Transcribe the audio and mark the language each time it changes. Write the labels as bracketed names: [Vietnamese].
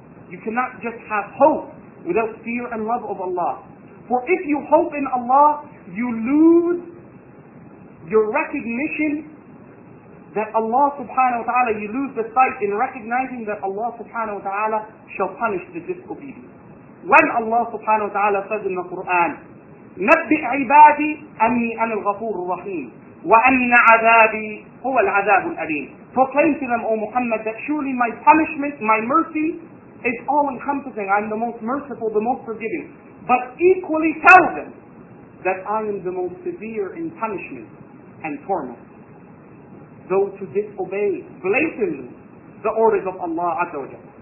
[English] You cannot just have hope without fear and love of Allah. For if you hope in Allah, you lose your recognition that Allah subhanahu wa ta'ala, you lose the sight in recognizing that Allah subhanahu wa ta'ala shall punish the disobedient. When Allah subhanahu wa ta'ala says in the Quran, [Arabic] نَبِّئْ عِبَادِي أَنِّي أَنَا الْغَفُورُ الرَّحِيمُ وَأَنَّ عَذَابِي هُوَ الْعَذَابُ الْأَلِيمُ. [English] Proclaim to them, O Muhammad, that surely my punishment, my mercy, it's all encompassing. I'm the most merciful, the most forgiving. But equally tell them that I am the most severe in punishment and torment. Those who disobey blatantly the orders of Allah Azza wa Jalla.